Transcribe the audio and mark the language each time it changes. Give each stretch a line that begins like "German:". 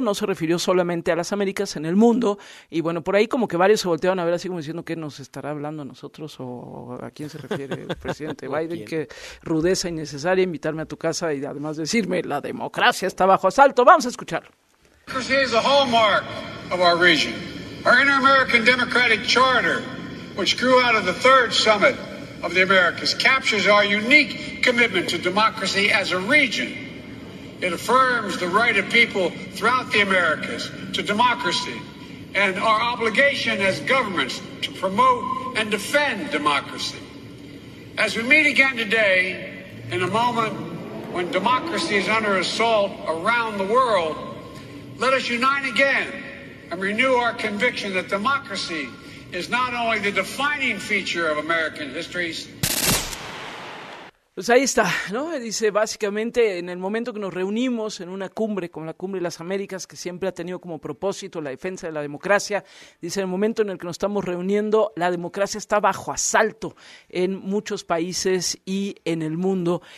Spanish: No se refirió solamente a las Américas, en el mundo. Y bueno, por ahí como que varios se voltearon a ver, así como diciendo que nos estará hablando a nosotros o a quién se refiere el presidente Biden. Qué rudeza innecesaria invitarme a tu casa y además decirme la democracia está bajo asalto. Vamos a escuchar.
English: Democracy is a hallmark of our region. Our Inter-American Democratic Charter, which grew out of the third summit of the Americas, captures our unique commitment to democracy as a region. It affirms the right of people throughout the Americas to democracy and our obligation as governments to promote and defend democracy. As we meet again today, in a moment when democracy is under assault around the world, let us unite again and renew our conviction that democracy is not only the defining feature of American histories.
Spanish: Pues ahí está, ¿no? Dice, básicamente, en el momento que nos reunimos en una cumbre, como la Cumbre de las Américas, que siempre ha tenido como propósito la defensa de la democracia, dice, en el momento en el que nos estamos reuniendo, la democracia está bajo asalto en muchos países y en el mundo.